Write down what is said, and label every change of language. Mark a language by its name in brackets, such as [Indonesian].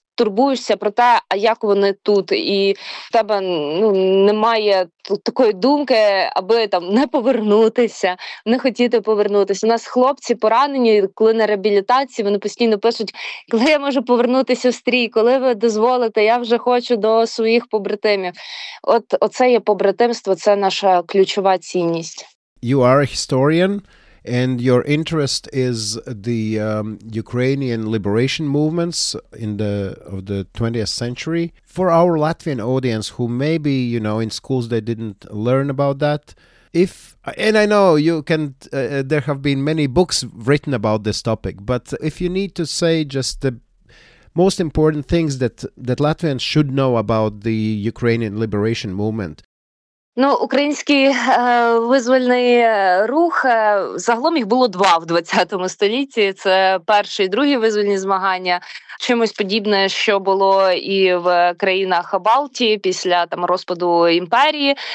[Ukrainian] турбуєшся про те, а як вони тут, і в тебе немає такої думки, аби там не повернутися, не хотіти повернутися. У нас хлопці поранені, коли на реабілітації, вони постійно пишуть, коли я можу повернутися в стрій, коли ви дозволите, я вже хочу до своїх побратимів. От оце є побратимство, це наша ключова цінність. [English] You are a historian. And your interest is the Ukrainian liberation movements of the 20th century. For our Latvian audience who maybe, you know, in schools they didn't learn about that. And I know you can, there have been many books written about this topic, but if you need to say just the most important things that Latvians should know about the Ukrainian liberation movement. [Ukrainian] Український визвольний рух, загалом їх було два в 20 столітті. Це перший і другий визвольні змагання. Чимось подібне, що було і в країнах Балтії після там розпаду імперії.